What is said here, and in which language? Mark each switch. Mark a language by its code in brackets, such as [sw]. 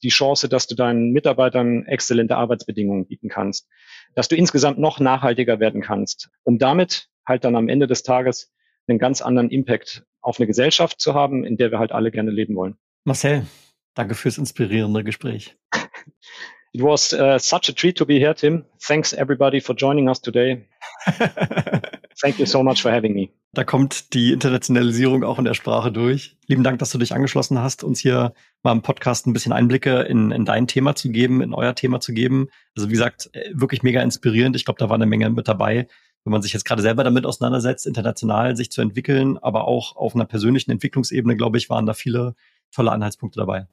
[de] Die Chance, dass du deinen Mitarbeitern exzellente Arbeitsbedingungen bieten kannst. Dass du insgesamt noch nachhaltiger werden kannst, um damit halt dann am Ende des Tages einen ganz anderen Impact auf eine Gesellschaft zu haben, in der wir halt alle gerne leben wollen. Marcel, danke fürs inspirierende Gespräch. [en] It was such a treat to be here, Tim. Thanks everybody for joining us today. Thank you so much for having me. [de] Da kommt die Internationalisierung auch in der Sprache durch. Lieben Dank, dass du dich angeschlossen hast, uns hier mal im Podcast ein bisschen Einblicke in dein Thema zu geben, in euer Thema zu geben. Also wie gesagt, wirklich mega inspirierend. Ich glaube, da war eine Menge mit dabei, wenn man sich jetzt gerade selber damit auseinandersetzt, international sich zu entwickeln, aber auch auf einer persönlichen Entwicklungsebene, glaube ich, waren da viele tolle Anhaltspunkte dabei.